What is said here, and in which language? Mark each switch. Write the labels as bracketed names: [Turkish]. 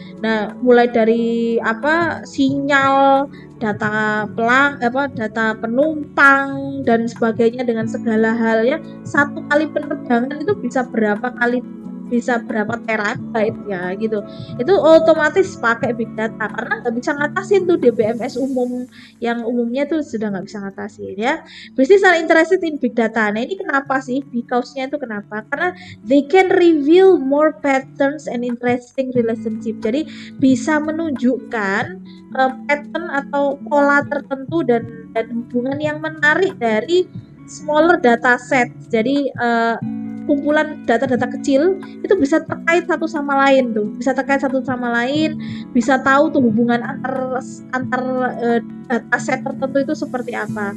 [Indonesian] Nah, mulai dari apa sinyal, data pelang, apa data penumpang dan sebagainya dengan segala halnya. Satu kali penerbangan itu bisa berapa kali, bisa berapa terabyte ya gitu. Itu otomatis pakai big data karena nggak bisa ngatasin tuh DBMS umum yang umumnya tuh sudah nggak bisa ngatasin ya. [English] Business are interested in big data. [Indonesian] Nah, ini kenapa sih? [English] Because-nya [Indonesian] itu kenapa? [English] Karena they can reveal more patterns and interesting relationship. [Indonesian] Jadi bisa menunjukkan pattern atau pola tertentu dan hubungan yang menarik dari smaller data set. Jadi kumpulan data-data kecil itu bisa terkait satu sama lain tuh, bisa terkait satu sama lain, bisa tahu tuh hubungan antar data set tertentu itu seperti apa.